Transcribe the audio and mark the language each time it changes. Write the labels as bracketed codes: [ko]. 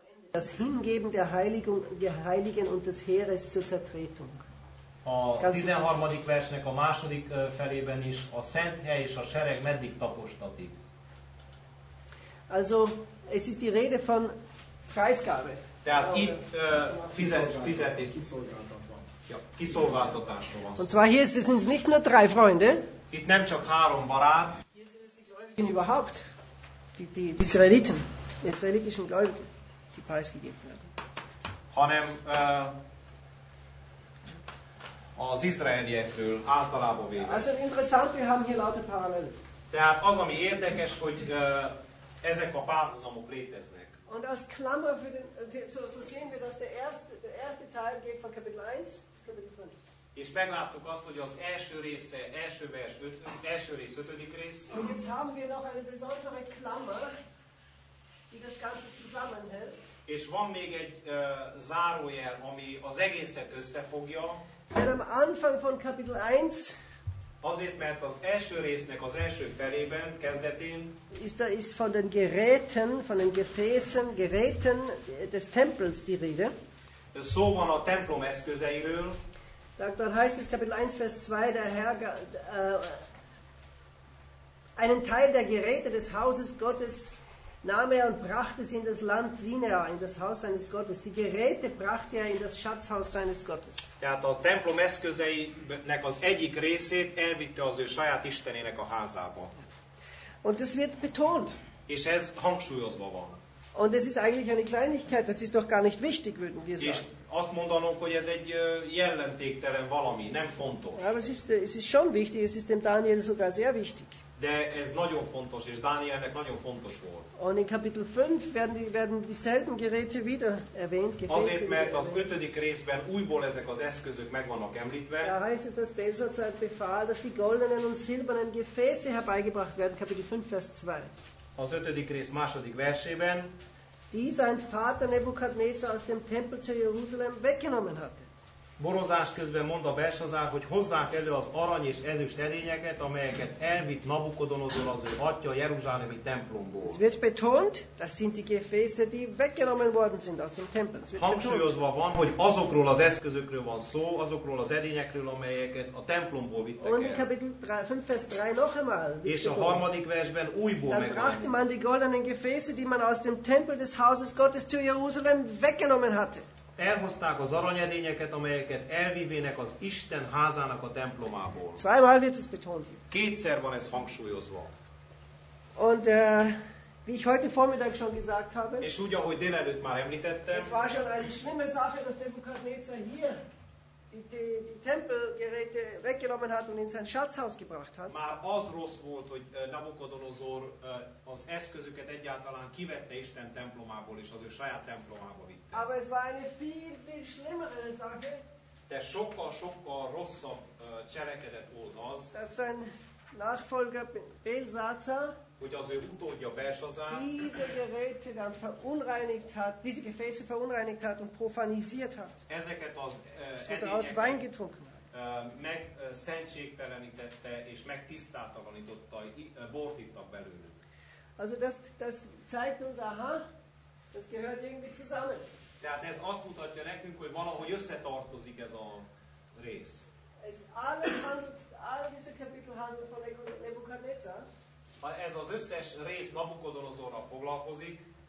[de] Das Hingeben der Heiligung, der Heiligen und des Heeres zur Zertretung. [hu] A 13. versnek a második felében is a szent hely és a sereg meddig tapostatik. [de] Also, es ist die Rede von Preisgabe. [hu] Tehát itt fizeték kiszolgáltatásról van. [de] Und zwar hier sind es nicht nur drei Freunde. [hu] Itt nem csak három barát. [de] Hier sind es die Gläubigen überhaupt. Die Israeliten. Die israelitischen Gläubigen, die preisgegeben werden. [hu] Hanem az izraeliekről általában véve. [de] Also interessant, wir haben hier lauter Parallelen. [hu] Tehát az, ami érdekes, hogy ezek a párhuzamok léteznek. [de] Und als Klammer für den, so sehen wir, dass der erste Teil geht von Kapitel 1 bis Kapitel 5. [hu] És megláttuk azt, hogy az első része, első vers, első rész, ötödik rész. [de] Und jetzt haben wir noch eine besondere Klammer, die das Ganze zusammenhält. [hu] És van még egy zárójel, ami az egészet összefogja. [de] Denn am Anfang von Kapitel 1 [hu] azért, mert az első résznek az első felében, kezdetén [de] ist von den Geräten, von den Gefäßen, Geräten des Tempels die Rede. [hu] Szó van a templom eszközeiről. [de] Dort heißt es Kapitel 1 Vers 2, der Herr einen Teil der Geräte des Hauses Gottes nahm er und brachte sie in das Land Sinai, in das Haus seines Gottes. Die Geräte brachte er in das Schatzhaus seines Gottes. [hu] Tehát a templom eszközeinek az egyik részét elvitte az ő saját Istenének a házába. [de] Und es wird betont. [hu] És ez hangsúlyozva van. [de] Und es ist eigentlich eine Kleinigkeit, das ist doch gar nicht wichtig, würden wir sagen. [hu] És azt mondanunk, hogy ez egy jelentéktelen valami, nem fontos. [de] Aber es ist schon wichtig, es ist dem Daniel sogar sehr wichtig. [hu] De ez nagyon fontos, és Dánielnek nagyon fontos volt. [de] Und in Kapitel 5 werden dieselben Geräte wieder erwähnt, Gefäße. [hu] Azért, mert az ötödik részben újból ezek az eszközök meg vannak említve. [de] Da heißt es, dass Belsazar befahl, dass die goldenen und silbernen Gefäße herbeigebracht werden, Kapitel 5, Vers 2. [hu] Az ötödik rész második versében. [de] Die sein Vater Nebukadnezar aus dem Tempel zu Jerusalem weggenommen hatte. [hu] Borozás közben mond a Belsazár, hogy hozzák elő az arany és ezüst edényeket, amelyeket elvitt Nabukodonozor az ő atya a jeruzsálemi templomból. [de] Es wird betont, das sind die Gefäße, die weggenommen worden sind aus dem Tempel. [hu] Hangsúlyozva van, hogy azokról az eszközökről van szó, azokról az edényekről, amelyeket a templomból vittek el. [de] Und in Kapitel 5, Vers 3 noch einmal. [hu] És a harmadik versben újból megvan. [de] Dann brachte man die goldenen Gefäße, die man aus dem Tempel des Hauses Gottes zu Jerusalem weggenommen hatte. [hu] Elhozták az aranyedényeket, amelyeket elvívének az Isten házának a templomából. [de] Zweimal wird es betont. [hu] Kétszer van ez hangsúlyozva. [de] Und wie ich heute Vormittag schon gesagt habe. [hu] És úgy, ahogy délelőtt már említettem. [de] Es war schon eine schlimme Sache, dass Nebukadnezar hier die Tempelgeräte weggenommen hat und in sein Schatzhaus gebracht hat. [hu] Már az rossz volt, hogy Nabukodonozor az eszközöket egyáltalán kivette Isten templomából és az ő saját templomába vitte. [de] Aber es war eine viel, viel schlimmere Sache. [hu] De sokkal-sokkal rosszabb cselekedet volt az, [de] dass sein Nachfolger Belsazar, [hu] hogy az ő utódja Belsazár, [de] diese Geräte dann verunreinigt hat, diese Gefäße verunreinigt hat und profanisiert hat. [hu] Ezeket az edényeket meg szentségtelenítette és megtisztátalanította, bort ittak belőle. [de] Also das zeigt uns, aha, das gehört irgendwie zusammen. [hu] Tehát ez azt mutatja nekünk, hogy valahogy összetartozik ez a rész. [de] Es alles handelt, all diese Kapitel handelt von Nebukadnezar. [hu] Ez az összes rész Nabukodonozorral foglalkozik.